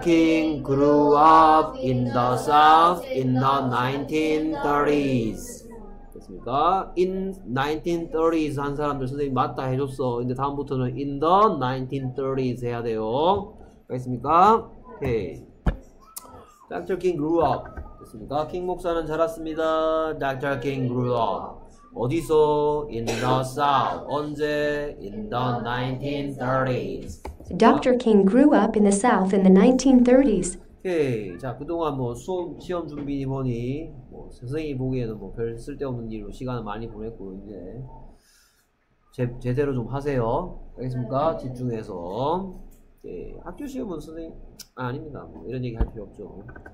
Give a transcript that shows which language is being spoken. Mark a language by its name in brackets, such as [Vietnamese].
[English] King grew up in the South in the 1930s. [Korean] 됐습니까? [English] In 1930s [Korean] 한 사람들 선생님 맞다 해줬어. 근데 다음부터는 [English] in the 1930s [Korean] 해야 돼요. 알겠습니까? 오케이. [English] Dr. King grew up. [Korean] 됐습니까? King 목사는 자랐습니다. [English] Dr. King grew up. [Korean] 어디서? [English] In the South. [Korean] 언제? [English] In the 1930s. Dr. King grew up in the South in the 1930s. [Korean] 오케이. 자, 그동안 뭐 수업, 시험 준비 뭐니, 뭐 선생님이 보기에는 뭐 별 쓸데없는 일로 시간을 많이 보냈고, 이제 제대로 좀 하세요. 알겠습니까? 네. 집중해서. 네. 학교 시험은 선생님, 아, 아닙니다. 뭐 이런 얘기 할 필요 없죠.